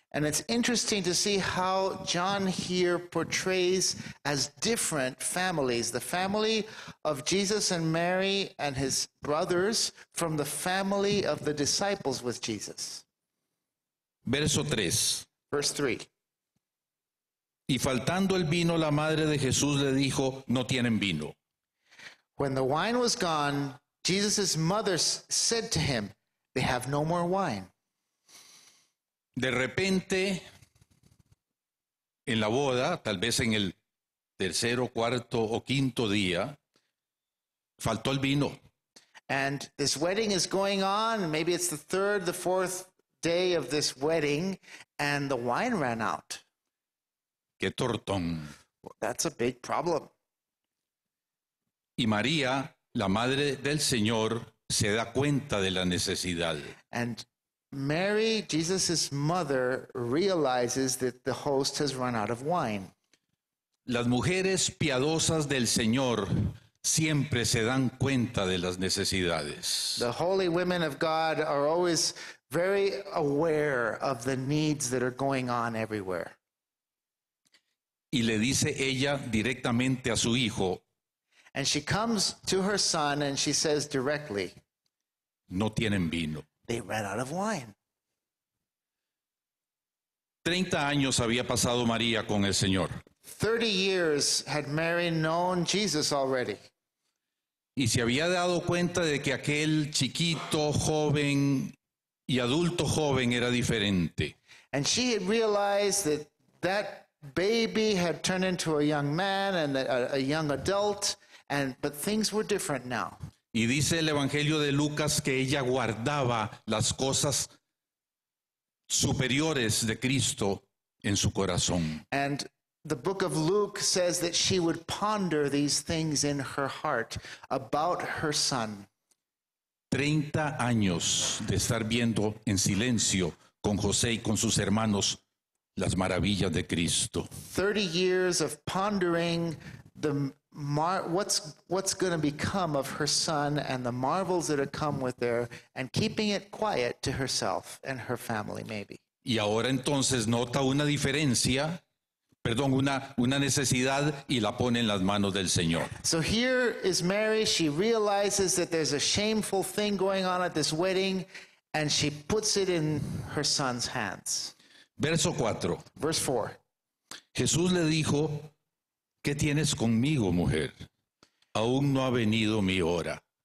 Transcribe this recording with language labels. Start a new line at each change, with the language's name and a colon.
English: And it's interesting to see how John here portrays as different families, the family of Jesus and Mary and his brothers from the family of the disciples with Jesus.
Spanish: Verso 3.
English: Verse 3.
Spanish: Y faltando el vino, la madre de Jesús le dijo, no tienen vino.
English: When the wine was gone, Jesus' mother said to him, they have no more wine.
Spanish: De repente, en la boda, tal vez en el tercero, cuarto o quinto día, faltó el vino.
English: And this wedding is going on, maybe it's the third, the fourth day of this wedding, and the wine ran out.
Spanish: ¡Qué tortón!
English: That's a big problem.
Spanish: Y María, la madre del Señor, se da cuenta de la necesidad.
English: And Mary, Jesus' mother, realizes that the host has run out of wine.
Spanish: Las mujeres piadosas del Señor siempre se dan cuenta de las necesidades.
English: The holy women of God are always very aware of the needs that are going on everywhere.
Spanish: Y le dice ella directamente a su hijo.
English: And she comes to her son and she says directly.
Spanish: No tienen vino.
English: They ran out of wine.
Spanish: 30 años había pasado María con el Señor.
English: 30 years had Mary known Jesus already.
Spanish: Y se había dado cuenta de que aquel chiquito, joven y adulto joven era diferente.
English: And she had realized that that baby had turned into a young man and a young adult But things were different now.
Spanish: Y dice el Evangelio de Lucas que ella guardaba las cosas superiores de Cristo en su corazón.
English: And the book of Luke says that she would ponder these things in her heart about her son.
Spanish: 30 años de estar viendo en silencio con José y con sus hermanos las maravillas de Cristo.
English: 30 years of pondering what's going to become of her son and the marvels that have come with her, and keeping it quiet to herself and her family, maybe.
Spanish: Y ahora entonces nota una diferencia, perdón, una necesidad, y la pone en las manos del Señor.
English: So here is Mary. She realizes that there's a shameful thing going on at this wedding, and she puts it in her son's hands.
Spanish: Verso 4.
English: Verse 4.
Spanish: Jesús le dijo, ¿qué tienes conmigo, mujer? Aún no ha venido mi hora.